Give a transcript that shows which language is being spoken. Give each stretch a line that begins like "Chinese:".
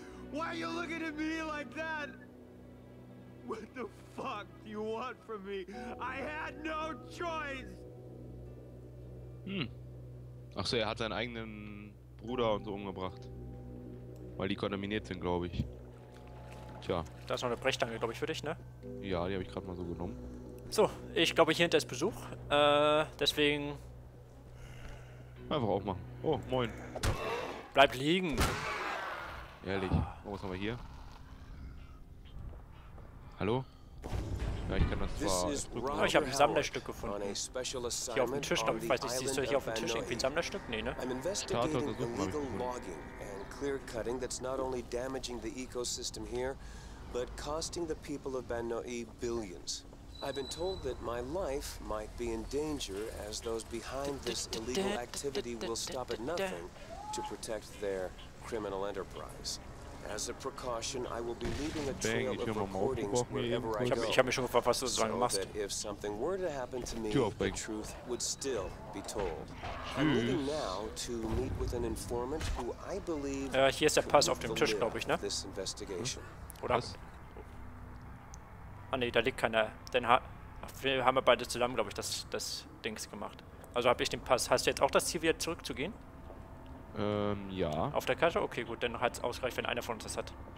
English: Why are you looking at me like that? What the fuck do you want from me? I had no choice. Hm.
German: Ach so, er hat seinen eigenen Bruder und so umgebracht. Weil die kontaminiert sind, glaube ich. Tja. Da ist noch eine Brechstange, glaube ich, für dich, ne? Ja, die habe ich gerade mal so genommen. So, ich glaube, hier hinter ist Besuch. Deswegen. Einfach aufmachen. Oh, moin. Bleib liegen. Ehrlich. Oh, was haben wir hier? Hallo? Ja, ich kann das zwar. Oh, ich habe ein Sammlerstück gefunden. Hier auf dem Tisch, glaube ich. Weiß nicht, siehst du hier auf dem Tisch irgendwie ein Sammlerstück? Nee, ne? Startort untersuchen habe ich gefunden.
English: Clear-cutting that's not only damaging the ecosystem here, but costing the people of Banno'i billions. I've been told that my life might be in danger as those behind this illegal activity will stop at nothing to protect their criminal enterprise. As a precaution, I will be leaving a trail of recordings wherever I go.
German: Ich hab mich schon gefragt, was du sagen machst.
English: that if something were to happen to me, the truth would still be told. I'm leaving now to meet with an informant who I believe.
German: Hier ist der Pass auf dem Tisch, glaube ich, ne?
English: This investigation.
German: Oder? Was? Ah ne, da liegt keiner. Wir haben beide zusammen, glaube ich, das Dings gemacht. Also habe ich den Pass. Hast du jetzt auch das Ziel, wieder zurückzugehen? Ja. Auf der Karte? Okay, gut, dann hat es ausgereicht, wenn einer von uns das hat.